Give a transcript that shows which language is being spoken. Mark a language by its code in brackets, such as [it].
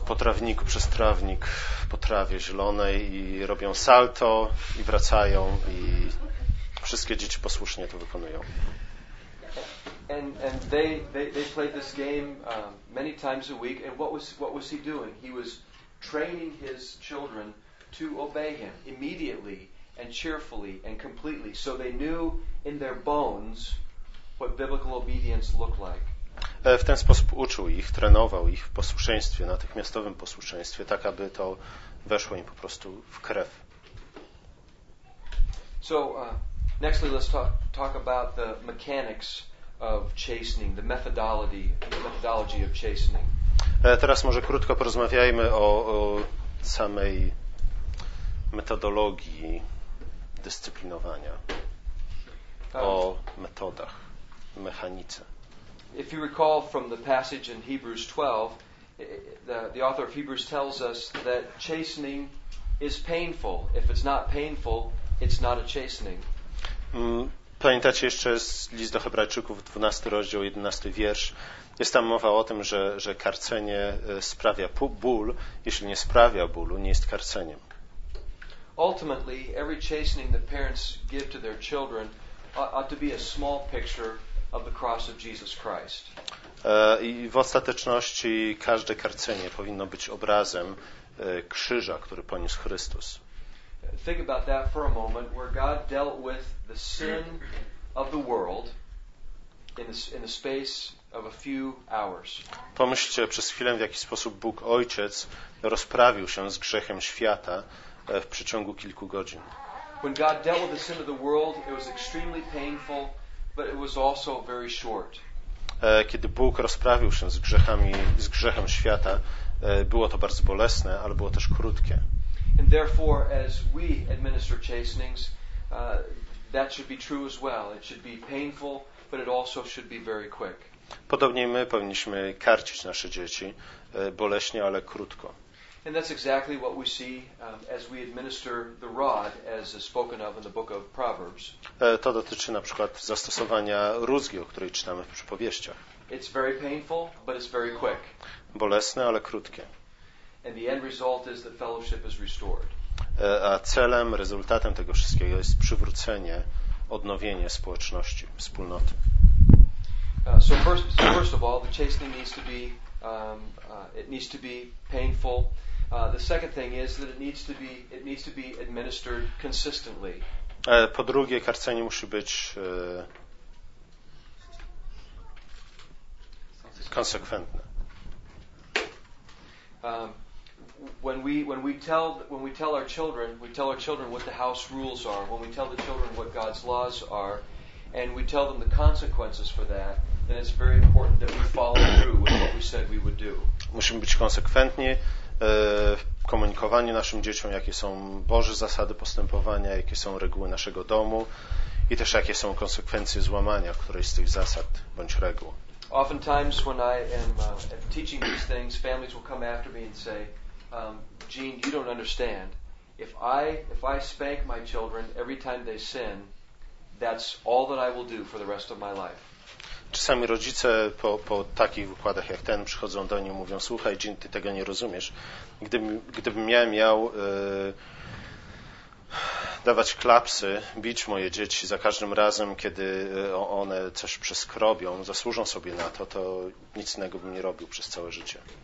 [pl] Po trawniku, przez trawnik, po trawie zielonej i robią salto i wracają i wszystkie dzieci posłusznie to wykonują. [en] And they played this game many times a week, and what was he doing? He was training his children to obey him immediately and cheerfully and completely, so they knew in their bones what biblical obedience looked like. [pl] W ten sposób uczył ich, trenował ich w posłuszeństwie, natychmiastowym posłuszeństwie, tak aby to weszło im po prostu w krew. [en] So nextly let's talk about the mechanics of chastening, the methodology of chastening. [pl] Teraz może krótko porozmawiajmy o samej metodologii dyscyplinowania, o metodach, mechanice. [en] If you recall from the passage in Hebrews 12, the author of Hebrews tells us that chastening is painful. If it's not painful, it's not a chastening. [pl] Pamiętacie jeszcze z list do Hebrajczyków, 12 rozdział, 11 wiersz. Jest tam mowa o tym, że karcenie sprawia ból. Jeśli nie sprawia bólu, nie jest karceniem. [en] Ultimately, every chastening that parents give to their children ought to be a small picture of the cross of Jesus Christ. [pl] I w ostateczności każde karcenie powinno być obrazem krzyża, który poniósł Chrystus. [en] Think about that for a moment, where God dealt with the sin of the world in the space of a few hours. [pl] Pomyślcie przez chwilę, w jaki sposób Bóg Ojciec rozprawił się z grzechem świata w przeciągu kilku godzin. [en] When God dealt with the sin of the world, it was extremely painful, but it was also very short. [pl] Kiedy Bóg rozprawił się z grzechem świata, było to bardzo bolesne, ale było też krótkie. [en] And therefore, as we administer chastenings, that should be true as well. It should be painful, but it also should be very quick. [pl] Podobnie my powinniśmy karcić nasze dzieci boleśnie, ale krótko. [en] And that's exactly what we see as we administer the rod, as is spoken of in the book of Proverbs. [pl] To dotyczy na przykład zastosowania rózgi, o której czytamy w Przypowieściach. [en] It's very painful, but it's very quick. [pl] Bolesne, ale krótkie. [en] And the end result is that fellowship is restored. [pl] A celem, rezultatem tego wszystkiego jest przywrócenie, odnowienie społeczności, wspólnoty. [en] So first of all, the chastening needs to be it needs to be painful. The second thing is that it needs to be administered consistently. [pl] Po drugie, karcenie musi być konsekwentne. [en] When we tell our children, we tell our children what the house rules are, when we tell the children what God's laws are, and we tell them the consequences for that, then it's very important that we follow through with what we said we would do. [pl] Musimy być konsekwentni w komunikowaniu naszym dzieciom, jakie są Boże zasady postępowania, jakie są reguły naszego domu i też jakie są konsekwencje złamania którejś z tych zasad bądź reguł. [en] Oftentimes when I am teaching these things, families will come after me and say, Gene, you don't understand. If I spank my children every time they sin, that's all that I will do for the rest of my life. [pl] Czasami rodzice po takich wykładach jak ten przychodzą do niej i mówią: słuchaj, Gene, ty tego nie rozumiesz. Gdybym ja miał dawać klapsy, bić moje dzieci za każdym razem, kiedy one coś przeskrobią, zasłużą sobie na to, to nic innego bym nie robił przez całe życie.